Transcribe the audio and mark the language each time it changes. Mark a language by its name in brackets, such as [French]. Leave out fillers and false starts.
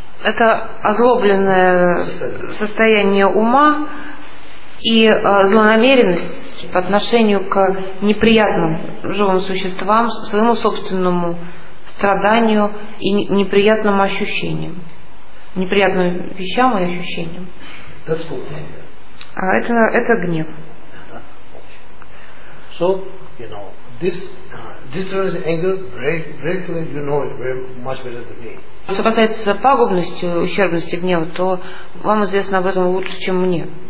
[Russian] Это озлобленное состояние ума и злонамеренность по отношению к неприятным живым существам, своему собственному страданию и неприятным ощущениям. Неприятным вещам и ощущениям. [English] That's called anger. [Russian] А это гнев. [English] So, you know, this anger, greatly, you know it very much better than me. [Russian] Что касается пагубности, ущербности гнева, то вам известно об этом лучше, чем мне.